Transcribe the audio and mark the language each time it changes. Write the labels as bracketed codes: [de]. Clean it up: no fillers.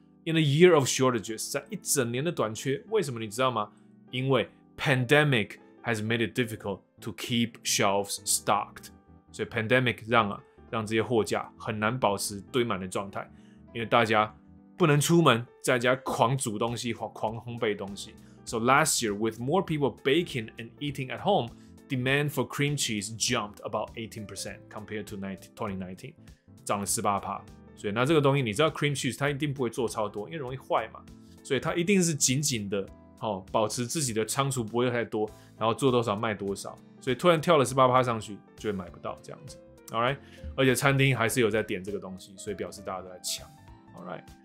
[en] In a year of shortages， [zh] 在一整年的短缺，为什么你知道吗？因为 [en] pandemic has made it difficult to keep shelves stocked， [zh] 所以 pandemic 让这些货架很难保持堆满的状态，因为大家。不能出门，在家狂煮东西，狂烘焙东西。 [en] So last year, with more people baking and eating at home, demand for cream cheese jumped about 18% compared to 2019, [zh] 涨了18%。所以那这个东西，你知道 cream cheese 它一定不会做超多，因为容易坏嘛。所以它一定是紧紧的，好、哦、保持自己的仓储不会太多，然后做多少卖多少。所以突然跳了18%上去，就会买不到这样子。 All right， 而且餐厅还是有在点这个东西，所以表示大家都在抢。All right。